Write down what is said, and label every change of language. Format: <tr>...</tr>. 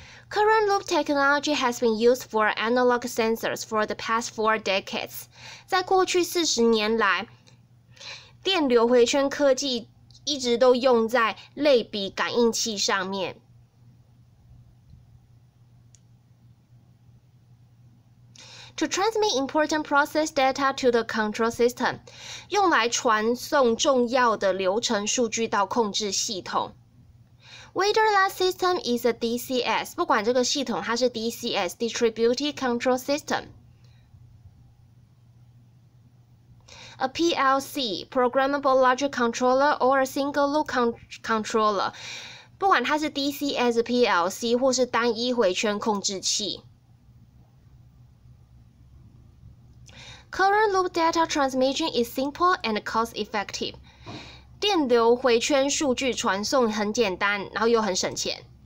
<en>Current loop technology has been used for analog sensors for the past 4 decades.</en> <zh>在过去40年来，电流回圈科技一直都用在类比感应器上面。</zh> <en>To transmit important process data to the control system,</en> <zh>用来传送重要的流程数据到控制系统。</zh> <en>Whether that system is a DCS,</en> <zh>不管这个系统它是 DCS,</zh> <en>Distributed Control System, a PLC, Programmable Logic Controller, or a Single Loop Controller,</en> <zh>不管它是 DCS, PLC, 或是单一回圈控制器。</zh> <en>Current loop data transmission is simple and cost effective.</en> <zh>电流回圈数据传送很简单，然后又很省钱。</zh>